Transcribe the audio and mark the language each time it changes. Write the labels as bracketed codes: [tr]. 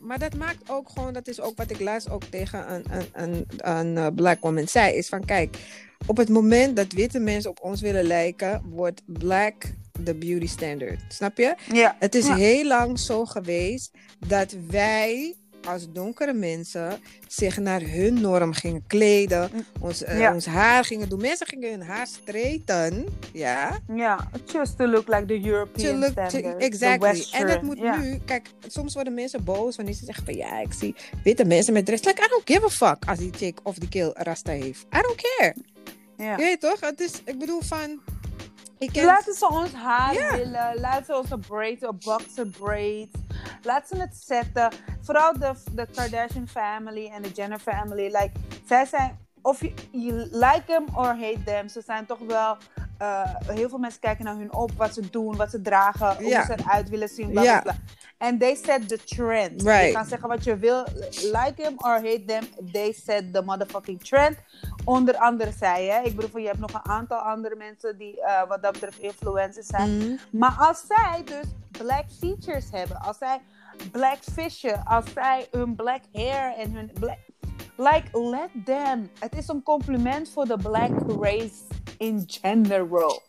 [nl] Maar dat maakt ook gewoon, dat is ook wat ik laatst ook tegen een black woman zei, is van kijk, op het moment dat witte mensen op ons willen lijken, wordt black de beauty standard. Snap je? Ja. Het is heel lang zo geweest dat wij als donkere mensen zich naar hun norm gingen kleden. Ons haar gingen doen. Mensen gingen hun haar streten. Ja. [en] Ja, just to look like the European standard. Exactly. The Western. [nl] En dat moet nu... Kijk, soms worden mensen boos wanneer ze zeggen van... Ja, ik zie witte mensen met dress. [en] Like, I don't give a fuck [nl] als die chick of die kill rasta heeft. [en] I don't care. [nl] Ja. Je weet toch? Het is, ik bedoel van... Laten ze ons haar willen. Laten ze onze braids, of boxer braids. Laten ze het zetten. Vooral de Kardashian family en de Jenner family. Like, zij zijn, of [en] you like them or hate them, [nl] ze zijn toch wel... heel veel mensen kijken naar hun op, wat ze doen, wat ze dragen, hoe ze eruit willen zien. [en] Blah, blah, blah. And they set the trend. Right. [nl] Je kan zeggen wat je wil. [en] Like them or hate them, they set the motherfucking trend. [nl] Onder andere zij, hè. Ik bedoel, je hebt nog een aantal andere mensen die wat dat betreft influencers zijn. Mm-hmm. Maar als zij dus black features hebben, als zij black fishen, als zij hun black hair en hun black... [en] Like, let them. [nl] Het is een compliment voor de black race in general.